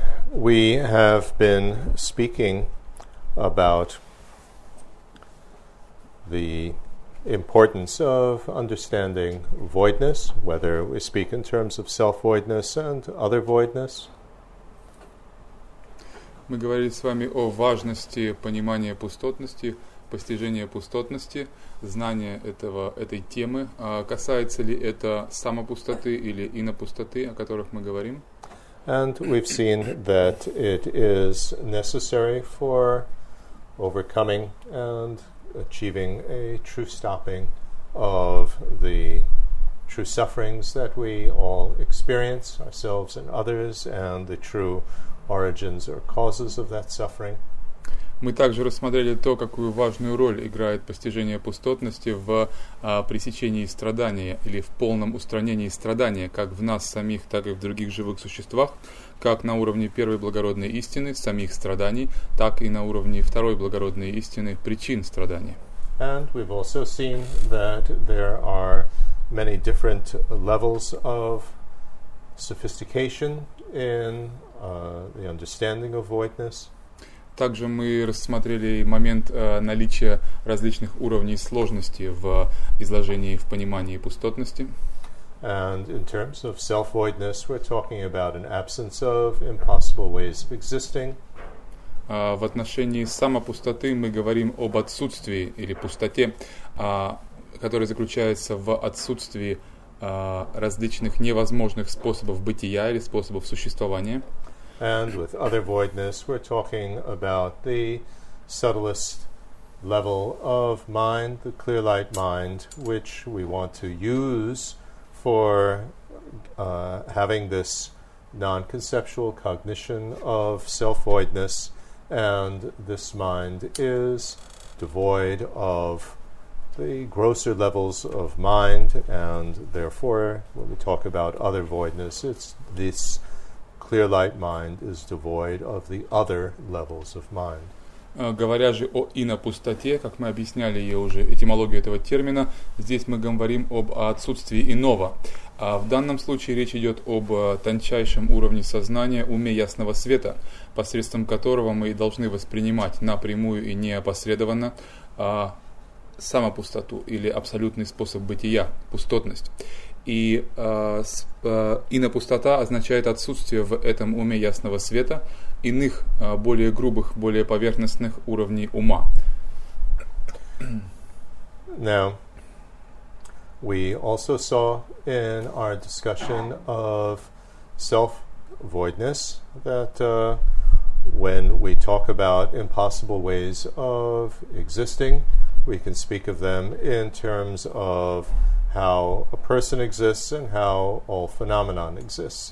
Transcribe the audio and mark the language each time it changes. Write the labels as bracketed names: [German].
[English] We have been speaking about the importance of understanding voidness, whether we speak in terms of self-voidness and other voidness. [Russian] Мы говорили с вами о важности понимания пустотности, постижения пустотности, знания этого, этой темы. А касается ли это самопустоты или инопустоты, о которых мы говорим? [English] And we've seen that it is necessary for overcoming and achieving a true stopping of the true sufferings that we all experience, ourselves and others, and the true origins or causes of that suffering. [Russian] Мы также рассмотрели то, какую важную роль играет постижение пустотности в пресечении страдания или в полном устранении страдания, как в нас самих, так и в других живых существах, как на уровне первой благородной истины, самих страданий, так и на уровне второй благородной истины, причин страдания. [English] And we've also seen that there are many different levels of sophistication in the understanding of voidness. [Russian] Также мы рассмотрели момент наличия различных уровней сложности в изложении, в понимании пустотности. [English] And in terms of self-voidness, we're talking about an absence of impossible ways of existing. [Russian] В отношении самопустоты мы говорим об отсутствии или пустоте, которая заключается в отсутствии различных невозможных способов бытия или способов существования. [English] And with other voidness, we're talking about the subtlest level of mind, the clear light mind, which we want to use for having this non-conceptual cognition of self-voidness. And this mind is devoid of the grosser levels of mind. And therefore, when we talk about other voidness, it's this clear light mind is devoid of the other levels of mind. [Russian] Говоря же о инопустоте, как мы объясняли ее уже этимологию этого термина, здесь мы говорим об отсутствии иного. В данном случае речь идет об тончайшем уровне сознания, уме ясного света, посредством которого мы должны воспринимать напрямую и неопосредованно самопустоту или абсолютный способ бытия, пустотность. И инопустота означает отсутствие в этом уме ясного света иных, более грубых, более поверхностных уровней ума. [English] Now, we also saw in our discussion of self-voidness that when we talk about impossible ways of existing, we can speak of them in terms of how a person exists and how all phenomena exists.